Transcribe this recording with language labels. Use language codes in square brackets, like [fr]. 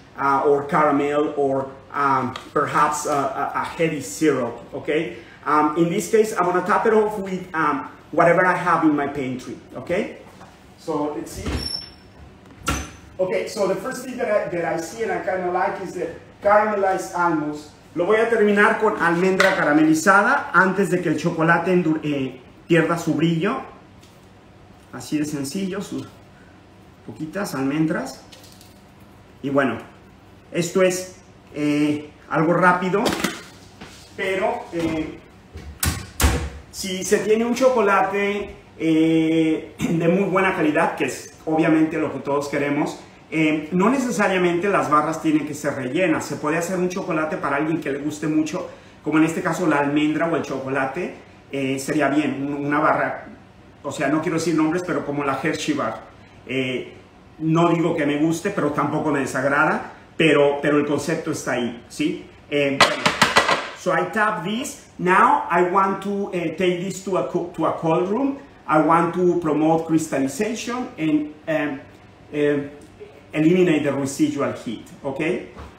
[en] Or caramel, or perhaps a heavy syrup, okay? In this case, I'm gonna top it off with whatever I have in my pantry, okay? So let's see. Okay, so the first thing that I see and I kinda like is the caramelized almonds. [es] Lo voy a terminar con almendra caramelizada antes de que el chocolate pierda su brillo. Así de sencillo, sus poquitas almendras. Y bueno. Esto es algo rápido, pero si se tiene un chocolate de muy buena calidad, que es obviamente lo que todos queremos, no necesariamente las barras tienen que ser rellenas. Se puede hacer un chocolate para alguien que le guste mucho, como en este caso la almendra o el chocolate, sería bien, una barra, o sea, no quiero decir nombres, pero como la Hershey Bar. No digo que me guste, pero tampoco me desagrada. Pero el concepto está ahí, ¿sí? [en] So I tap this. Now I want to take this to a cold room. I want to promote crystallization and eliminate the residual heat, okay?